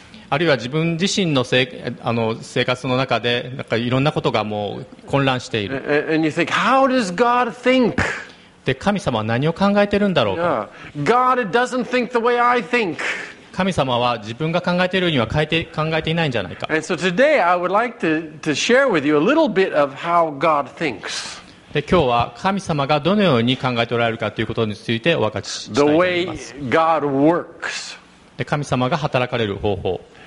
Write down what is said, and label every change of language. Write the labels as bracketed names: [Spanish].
[Japanese] あるいは自分自身 の, せあの生活の中でなんかいろんなことがもう混乱している。 [English] And you think, How does God think? [Japanese] で神様は何を考えているんだろうか。 [English] God doesn't think the way I think. [Japanese] 神様は自分が考えているには考えていないんじゃないか。 [English] And so today I would like to share with you a little bit of how God thinks. [Japanese] で今日は神様がどのように考えておられるかということについてお分かちしたいと思います。で神様が働かれる方法、